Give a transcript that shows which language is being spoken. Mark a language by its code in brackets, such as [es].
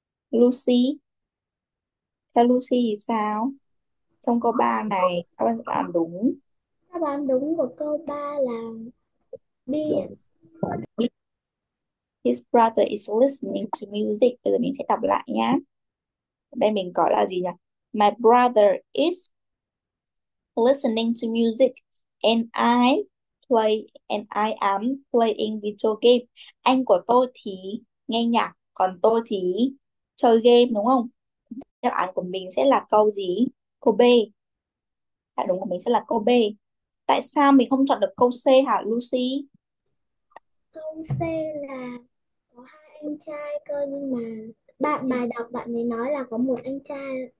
[vi] Lucy. Theo Lucy thì sao? Xong câu 3 này các bạn sẽ làm đúng. Đáp án đúng của câu 3 là Rồi. B. [en] His brother is listening to music. [vi] Bây giờ mình sẽ đọc lại nhá. Đây mình có là gì nhỉ? [en] My brother is listening to music and I play and I am playing video game. [vi] Anh của tôi thì nghe nhạc, còn tôi thì chơi game đúng không? Đáp án của mình sẽ là câu gì? Câu B. Đáp án của mình sẽ là câu B. Tại sao mình không chọn được câu C hả Lucy? Câu C là có hai anh trai cơ, nhưng mà bạn bài đọc bạn ấy nói là có một anh trai.